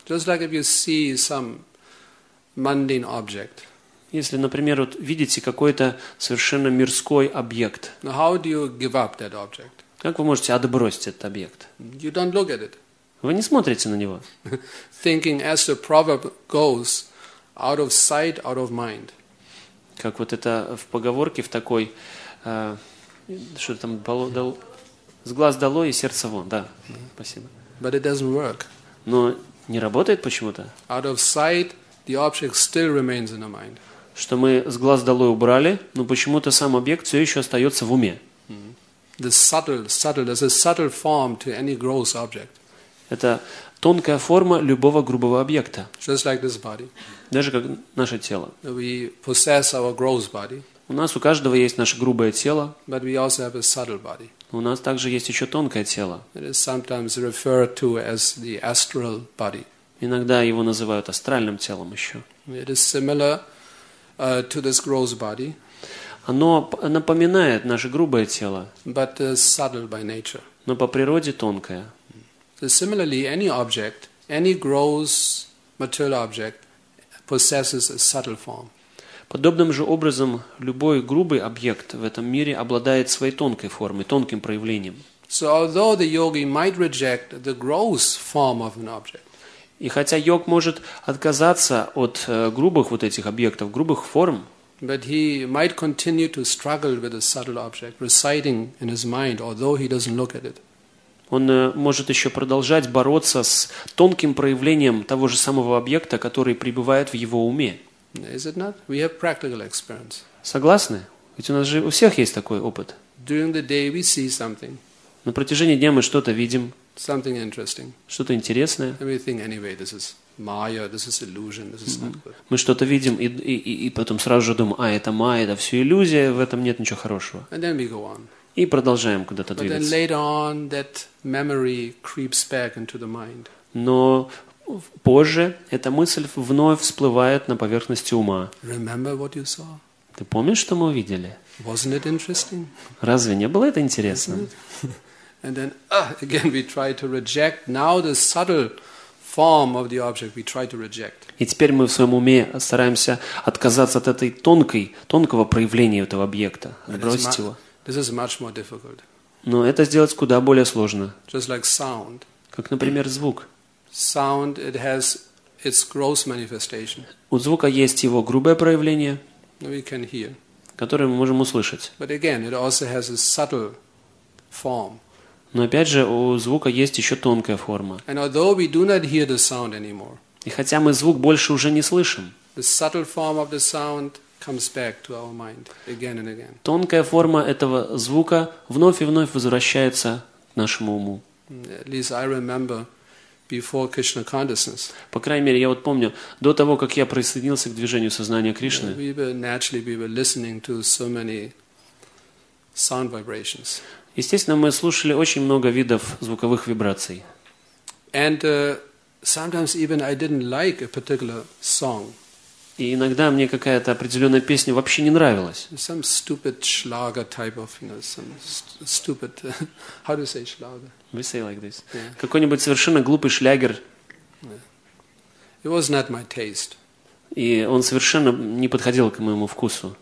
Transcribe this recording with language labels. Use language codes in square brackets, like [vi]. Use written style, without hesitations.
[en] Just like if you see some mundane object. [ru] Если, например, вот видите какой-то совершенно мирской объект. [en] Now how do you give up that object? [ru] Как вы можете отбросить этот объект? [en] You don't look at it. [ru] Вы не смотрите на него. [en] Thinking as the proverb goes, out of sight, out of mind. [ru] Как вот это в поговорке в такой, что там, с глаз долой и сердце вон, да, спасибо. [en] But it doesn't work. [ru] Но не работает почему-то. [en] Out of sight, the object still remains in the mind. [ru] Что мы с глаз долой убрали, но почему-то сам объект все еще остается в уме. [en] The subtle, there's a subtle form to any gross object. [ru] Это тонкая форма любого грубого объекта. [en] Just like this body. [ru] Даже как наше тело. [en] We possess our gross body. [ru] У нас у каждого есть наше грубое тело. [en] But we also have a subtle body. [ru] У нас также есть еще тонкое тело. [en] It is sometimes referred to as the astral body. [ru] Иногда его называют астральным телом еще. [en] It is similar to this gross body. [ru] Оно напоминает наше грубое тело. [en] But subtle by nature. [ru] Но по природе тонкое. [en] So similarly, any object, any gross material object, possesses a subtle form. [ru] Подобным же образом любой грубый объект в этом мире обладает своей тонкой формой, тонким проявлением. [en] So although the yogi might reject the gross form of an object. [ru] И хотя йог может отказаться от грубых вот этих объектов, грубых форм. [en] But he might continue to struggle with a subtle object, residing in his mind, although he doesn't look at it. [ru] Он может еще продолжать бороться с тонким проявлением того же самого объекта, который пребывает в его уме. [en] Is it not? We have practical experience. [ru] Согласны? Ведь у нас же у всех есть такой опыт. [en] During the day we see something. [ru] На протяжении дня мы что-то видим. [en] Something interesting. [ru] Что-то интересное. [en] And we think anyway, this is Maya, this is illusion, this is not good. [ru] Мы что-то видим и потом сразу же думаем, это Майя, это все иллюзия, в этом нет ничего хорошего. [en] And then we go on. [ru] И продолжаем куда-то двигаться. [en] But then later on, that memory creeps back into the mind. [ru] Но позже эта мысль вновь всплывает на поверхности ума. [en] Remember what you saw? [ru] Ты помнишь, что мы увидели? [en] Wasn't it interesting? [ru] Разве не было это интересно? [en] And then again we try to reject. Now the subtle form of the object we try to reject. [ru] И теперь мы в своем уме стараемся отказаться от этой тонкого проявления этого объекта, отбросить его. [en] This is much more difficult. [ru] Но это сделать куда более сложно. [en] Just like sound. [ru] Как, например, звук. [en] Sound, it has its gross manifestation. [ru] У звука есть его грубое проявление, [en] we can hear. [ru] Которое мы можем услышать. [en] But again, it also has a subtle form. [ru] Но опять же, у звука есть еще тонкая форма. [en] And although we do not hear the sound anymore, [ru] и хотя мы звук больше уже не слышим, [en] the subtle form of the sound comes back to our mind again and again. [ru] Тонкая форма этого звука вновь и вновь возвращается к нашему уму. [en] At least I remember before Krishna consciousness. [ru] По крайней мере, я вот помню, до того, как я присоединился к движению сознания Кришны, [en] we were listening to so many sound vibrations. [ru] Естественно, мы слушали очень много видов звуковых вибраций. [en] And sometimes even I didn't like a particular song. [ru] И иногда мне какая-то определенная песня вообще не нравилась. [en] Some stupid schlager type of, you know, some stupid, how do you say schlager? We say like this. Yeah. [ru] Какой-нибудь совершенно глупый шлягер. [en] Yeah. It was not my taste. [ru] И он совершенно не подходил к моему вкусу.